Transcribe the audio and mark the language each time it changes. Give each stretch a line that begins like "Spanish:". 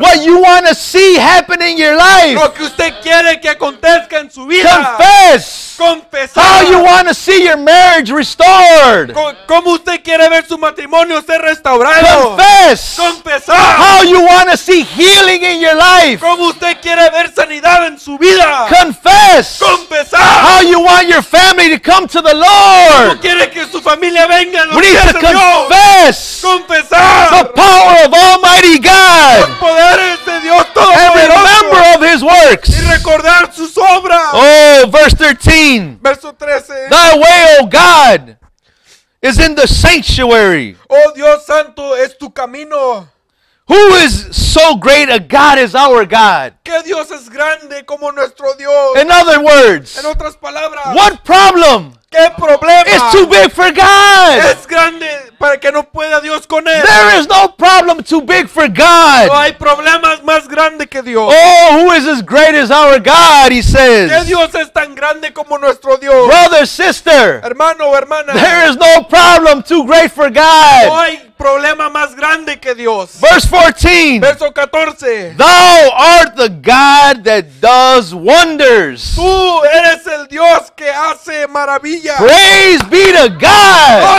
English: What you want to see happen in your life.
Spanish: Lo que usted quiere que acontezca en su vida.
English: Confess.
Spanish: Confesar.
English: How you want to see your marriage restored.
Spanish: Cómo usted quiere ver su matrimonio ser restaurado.
English: Confess.
Spanish: Confesar.
English: How you want to see healing in your life.
Spanish: Cómo usted quiere ver sanidad en su vida.
English: Confess.
Spanish: Confesar.
English: How you want your family to come to the Lord.
Spanish: Cómo quiere que su familia venga a los pies de Dios.
English: Confess.
Spanish: Confesar.
English: The power of Almighty God.
Spanish: Los poderes de Dios todopoderoso.
English: And remember of his works.
Spanish: Y recordar sus obras.
English: Oh, verse 13.
Spanish: Verso 13.
English: Thy way, O God, is in the sanctuary.
Spanish: Oh Dios santo, es tu camino.
English: Who is so great a God as our God?
Spanish: ¿Qué Dios es grande como nuestro Dios?
English: In other words,
Spanish: en otras palabras,
English: what problem?
Spanish: ¿Qué problema?
English: It's too big for God.
Spanish: Es grande para que no pueda Dios con él.
English: There is no problem too big for God.
Spanish: No hay problemas más grande que Dios.
English: Oh, who is as great as our God, he says.
Spanish: ¿Qué Dios es tan grande como nuestro Dios?
English: Brother, sister.
Spanish: Hermano o hermana.
English: There is no problem too great for God.
Spanish: No hay problema más grande que Dios.
English: Verse 14.
Spanish: Verso 14.
English: Thou art the God that does wonders.
Spanish: Tú eres el Dios que hace maravillas.
English: Praise be to God.